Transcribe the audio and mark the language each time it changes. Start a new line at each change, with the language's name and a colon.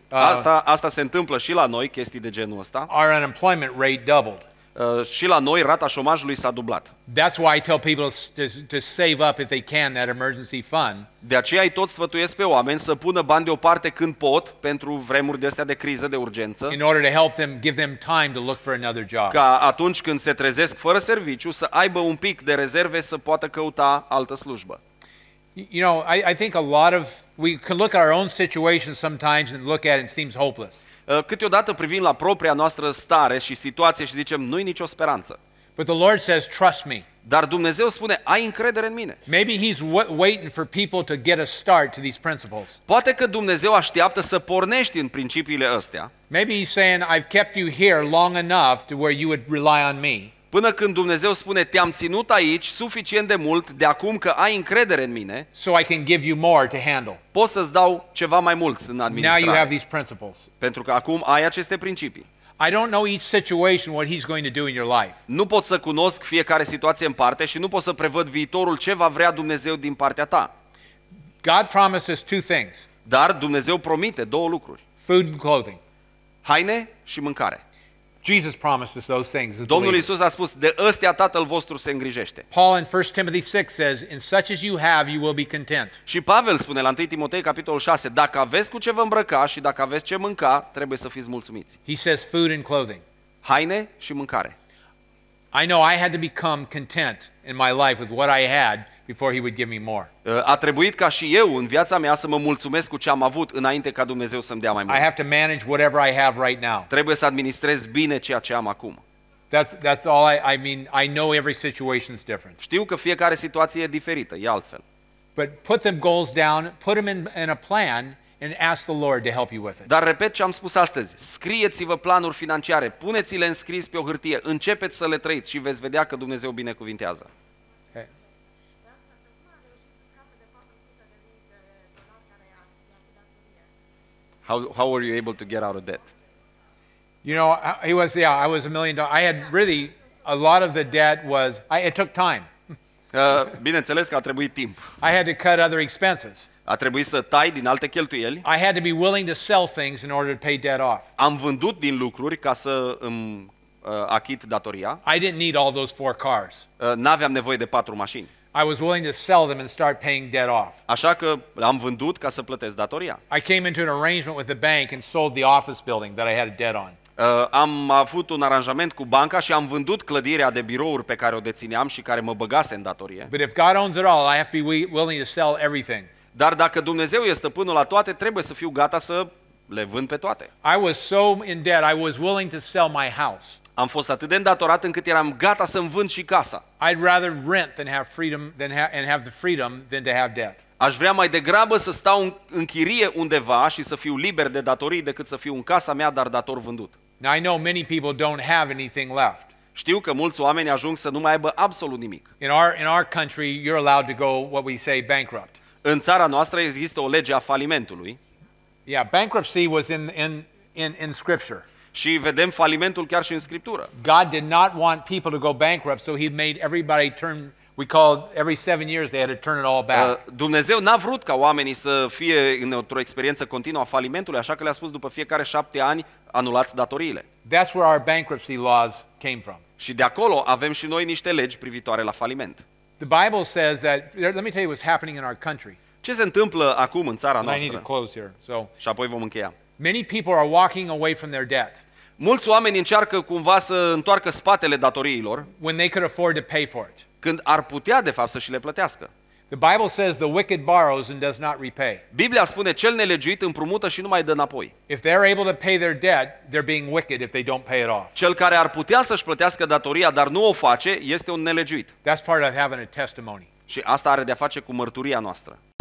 Romanian: Asta se întâmplă și la noi, chestii de genul ăsta.
English: Our unemployment rate doubled.
Romanian: și la noi rata șomajului s-a dublat.
English: That's why I tell people to save up if they can that emergency fund.
Romanian: De aceea îi tot sfătuiesc pe oameni să pună bani deoparte când pot pentru vremuri de astea de criză, de urgență.
English: In order to help them, give them time to look for another job.
Romanian: Ca atunci când se trezesc fără serviciu să aibă un pic de rezerve să poată căuta altă slujbă.
English: You know, I think a lot of we can look at our own situation sometimes and look at it and seems hopeless.
Romanian: Câteodată privim la propria noastră stare și situație și zicem, nu-i nicio speranță.
English: But the Lord says, trust me.
Romanian: Dar Dumnezeu spune, ai încredere în mine.
English: Maybe he's waiting for people to get a start to these principles.
Romanian: Poate că Dumnezeu așteaptă să pornești în principiile astea.
English: Maybe he's saying, I've kept you here long enough to where you would rely on me.
Romanian: Până când Dumnezeu spune, te-am ținut aici suficient de mult, de acum că ai încredere în mine,
English: so I can give you more to handle.
Romanian: Pot să-ți dau ceva mai mult în administrare.
English: Now you have these principles.
Romanian: Pentru că acum ai aceste principii.
English: I don't know each situation what he's going to do in your life.
Romanian: Nu pot să cunosc fiecare situație în parte și nu pot să prevăd viitorul ce va vrea Dumnezeu din partea ta.
English: God promises two things.
Romanian: Dar Dumnezeu promite două lucruri.
English: Food and clothing.
Romanian: Haine și mâncare.
English: Jesus promises those things.
Romanian: Domnul Iisus a spus, de ăstea Tatăl vostru se îngrijește.
English: Paul in 1 Timothy 6 says, in such as you have, you will be content.
Romanian: Și Pavel spune la 1 Timotei capitolul 6, dacă aveți cu ce vă îmbrăca și dacă aveți ce mânca, trebuie să fiți mulțumiți.
English: He says food and clothing.
Romanian: Haine și mâncare.
English: I know I had to become content in my life with what I had before he would give me more.
Romanian: A trebuit ca și eu în viața mea să mă mulțumesc cu ce am avut înainte ca Dumnezeu să-mi dea mai mult.
English: I have to manage whatever I have right now.
Romanian: Trebuie să administrez bine ceea ce am acum.
English: That's all I mean, I know every situation is different.
Romanian: Știu că fiecare situație e diferită, e altfel.
English: But put them goals down, put them in a plan and ask the Lord to help you with it.
Romanian: Dar repet ce am spus astăzi. Scrieți-vă planuri financiare, puneți-le înscris pe o hârtie, începeți să le trăiți și veți vedea că Dumnezeu binecuvintează.
English: How were you able to get out of debt? You know, I was $1 million. I had really, a lot of the debt was, it took time.
Romanian: Bineînțeles că a trebuit timp.
English: I had to cut other expenses.
Romanian: A trebuit să tai din alte cheltuieli.
English: I had to be willing to sell things in order to pay debt off.
Romanian: Am vândut din lucruri ca să îmi achit datoria.
English: I didn't need all those four cars.
Romanian: N-aveam nevoie de patru mașini.
English: I was willing to sell them and start paying debt off.
Romanian: Așa că am vândut ca să plătesc datoria.
English: I came into an arrangement with the bank and sold the office building that I had a debt on.
Romanian: Am avut un aranjament cu banca și am vândut clădirea de birouri pe care o dețineam și care mă băgase în datorie.
English: But if God owns it all, I have to be willing to sell everything.
Romanian: Dar dacă Dumnezeu e stăpânul la toate, trebuie să fiu gata să le vând pe toate.
English: I was so in debt, I was willing to sell my house.
Romanian: Am fost atât de îndatorat încât eram gata să-mi vând și casa.
English: I'd rather rent than have freedom than have the freedom than to have debt.
Romanian: Aș vrea mai degrabă să stau în chirie undeva și să fiu liber de datorii decât să fiu în casa mea dar dator vândut.
English: Now I know many people don't have anything left.
Romanian: Știu că mulți oameni ajung să nu mai aibă absolut nimic.
English: In our country you're allowed to go what we say bankrupt.
Romanian: În țara noastră există o lege a falimentului.
English: Yeah, bankruptcy was in scripture.
Romanian: Și vedem falimentul chiar și în Scriptură.
English: God did not want people to go bankrupt, so he made everybody turn, we call every 7 years they had to turn it all back.
Romanian: Dumnezeu n-a vrut ca oamenii să fie în o experiență continuă a falimentului, așa că le-a spus după fiecare 7 ani, anulați datoriile.
English: That's where our bankruptcy laws came from.
Romanian: Și de acolo avem și noi niște legi privitoare la faliment.
English: The Bible says that, let me tell you what's happening in our country.
Romanian: Ce se întâmplă acum în țara noastră?
English: I need to close here, so.
Romanian: Și apoi vom încheia.
English: Many people are walking away from their debt.
Romanian: Mulți oameni încearcă cumva să întoarcă spatele datoriilor.
English: When they could afford to pay for it.
Romanian: Când ar putea de fapt să și le plătească.
English: The Bible says the wicked borrows and does not repay.
Romanian: Biblia spune cel nelegiuit împrumută și nu mai dă înapoi.
English: If they are able to pay their debt, they're being wicked if they don't pay it off.
Romanian: Cel care ar putea să își plătească datoria, dar nu o face, este un nelegiuit.
English: That's part of having a testimony.
Romanian: Și asta are de a face cu mărturia noastră.